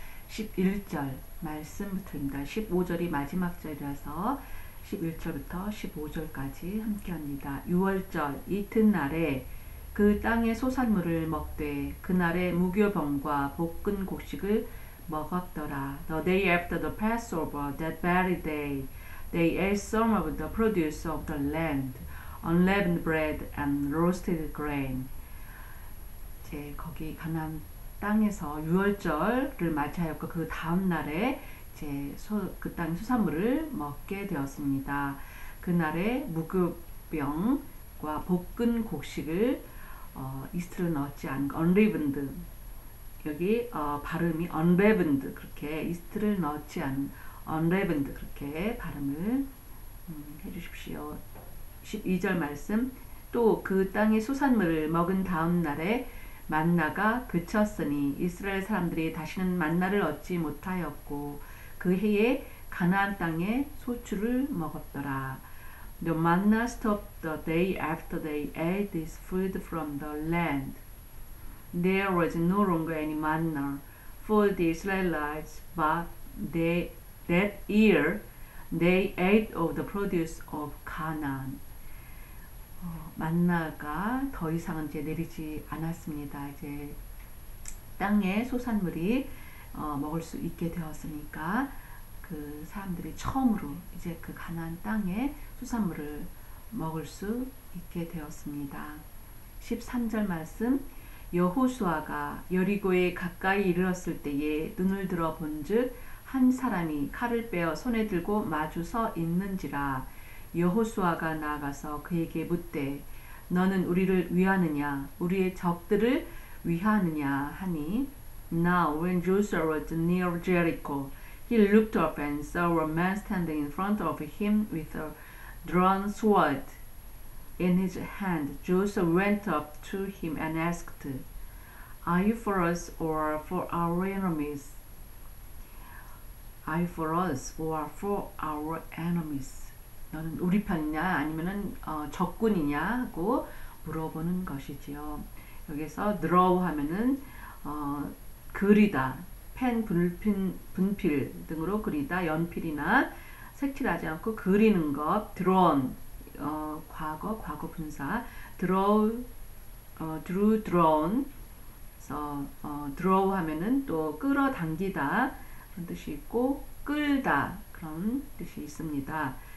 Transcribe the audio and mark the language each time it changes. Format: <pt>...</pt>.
<ko>11절 말씀부터입니다. 15절이 마지막 절이라서 11절부터 15절까지 함께합니다. 유월절 이튿날에 그 땅의 소산물을 먹되 그날의 무교병과 볶은 곡식을 먹었더라.</ko> <en>The day after the Passover, that very day, they ate some of the produce of the land, unleavened bread and roasted grain.</en> <ko>이제 거기 가나안 땅에서 유월절을 맞이하였고 그 다음 날에 이제 그 땅 수산물을 먹게 되었습니다. 그 날에 무교병과 볶은 곡식을 이스트를 넣지 않고 unleavened 여기 발음이 unleavened 그렇게 이스트를 넣지 않 unleavened 그렇게 발음을 해주십시오. 12절 말씀 또 그 땅의 수산물을 먹은 다음 날에 만나가 그쳤으니 이스라엘 사람들이 다시는 만나를 얻지 못하였고 그 해에 가나안 땅에 소출을 먹었더라.</ko> <en>The manna stopped the day after they ate this food from the land. There was no longer any manna for the Israelites, but that year they ate of the produce of Canaan.</en> <ko>만나가 더 이상은 이제 내리지 않았습니다. 이제 땅의 소산물이 먹을 수 있게 되었으니까 그 사람들이 처음으로 이제 그 가나안 땅의 수산물을 먹을 수 있게 되었습니다. 13절 말씀 여호수아가 여리고에 가까이 이르렀을 때에 눈을 들어 본즉 한 사람이 칼을 빼어 손에 들고 마주 서 있는지라. 여호수아가 나아가서 그에게 묻되 너는 우리를 위하느냐 우리의 적들을 위하느냐 하니</ko> <en>Now when Joshua was near Jericho, he looked up and saw a man standing in front of him with a drawn sword in his hand. Joshua went up to him and asked, Are you for us or for our enemies? Are you for us or for our enemies?</en> <ko>너는 우리 편이냐 아니면은 적군이냐 하고 물어보는 것이지요. 여기서 draw 하면은 그리다, 펜, 분필 등으로 그리다, 연필이나 색칠하지 않고 그리는 것, drawn, 과거 분사, drawn, draw 하면은 또 끌어당기다 그런 뜻이 있고 끌다 그런 뜻이 있습니다.</ko>